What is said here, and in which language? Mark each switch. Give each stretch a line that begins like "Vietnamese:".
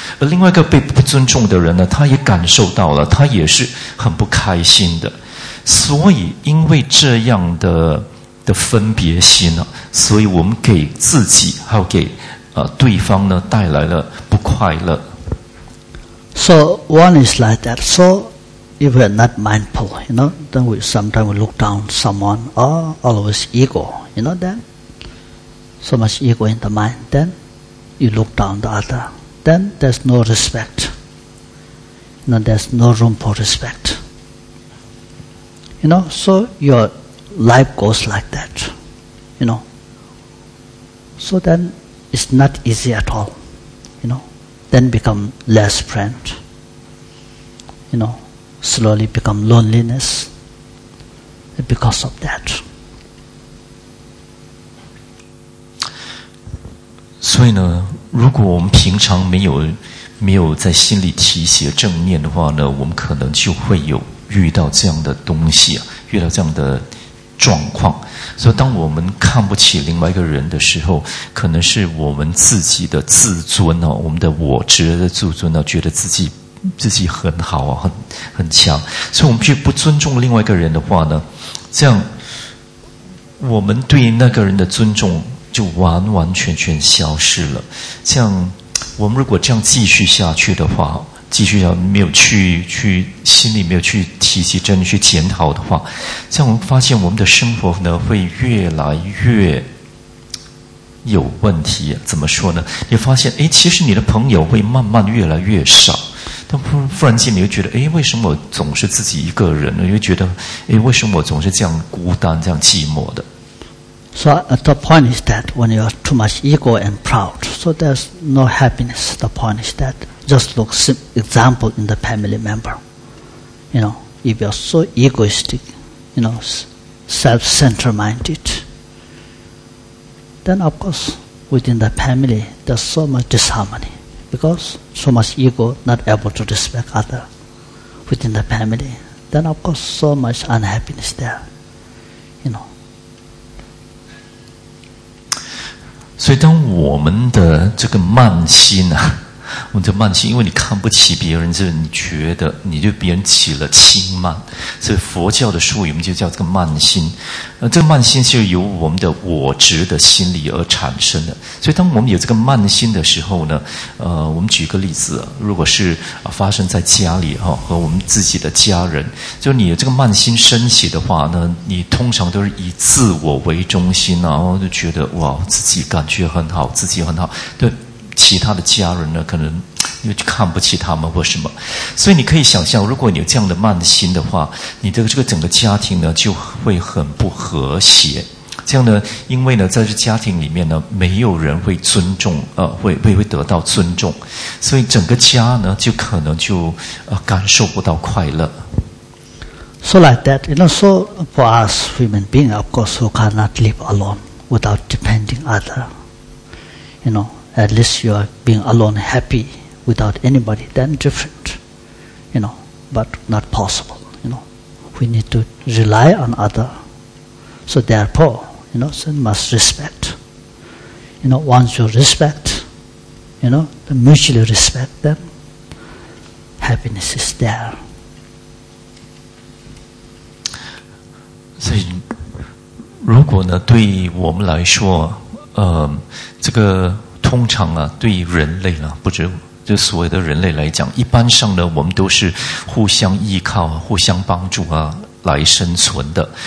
Chinese: 而另外一个被不尊重的人呢，他也感受到了，他也是很不开心的。所以因为这样的分别心呢，所以我们给自己还有给对方呢带来了不快乐。
English: So one is like that. So if we're not mindful, you know, then we sometimes we look down someone or always ego, you know that? So much ego in the mind, then you look down the other. Then there's no respect. You know, there's no room for respect. You know, so your life goes like that, you know. So then it's not easy at all, you know. Then become less friend, you know, slowly become loneliness because of that.
Chinese: 所以呢，如果我们平常没有在心里提携正念的话呢，我们可能就会有遇到这样的东西啊，遇到这样的状况。所以当我们看不起另外一个人的时候，可能是我们自己的自尊，我们的我执的自尊，觉得自己很好，很强。所以我们去不尊重另外一个人的话呢，这样我们对那个人的尊重就完完全全消失了。这样我们如果这样继续下去的话，继续要没有去心里没有去提起真的去检讨的话，像我们发现我们的生活呢会越来越有问题。怎么说呢？你发现其实你的朋友会慢慢越来越少，但忽然间你又觉得，哎，为什么我总是自己一个人呢？又觉得，哎，为什么我总是这样孤单、这样寂寞的
English: ？So the point is that when you are too much ego and proud, so there's no happiness. The point is that just look example in the family member. You know, if you are so egoistic, you know, self-centered minded, then of course within the family there's so much disharmony. Because so much ego, not able to respect others within the family, then of course so much unhappiness there, you know.
Chinese: 所以当我们的这个慢心啊，我们的慢心，因为你看不起别人，就是你觉得你对别人起了轻慢，所以佛教的术语我们就叫这个慢心。这个慢心是由我们的我执的心理而产生的。所以当我们有这个慢心的时候呢，我们举个例子，如果是发生在家里和我们自己的家人，就你有这个慢心升起的话呢，你通常都是以自我为中心，然后就觉得哇，自己感觉很好，自己很好，对其他的家人呢，可能又看不起他们或什么，所以你可以想象，如果你有这样的慢心的话，你的这个整个家庭呢就会很不和谐。这样呢，因为呢，在这家庭里面呢，没有人会尊重，会得到尊重，所以整个家呢，就可能就感受不到快乐。
English: So like that, you know, so for us human being, of course, who cannot live alone without depending other, you know. At least you are being alone, happy, without anybody, then different, you know, but not possible, you know. We need to rely on other. So therefore, you know, so must respect. You know, once you respect, you know, the mutually respect them, happiness is there.
Chinese: So, 如果呢，对我们来说，这个通常啊，对于人类呢、啊，不止就所谓的人类来讲，一般上呢，我们都是互相依靠、互相帮助啊，来生存的。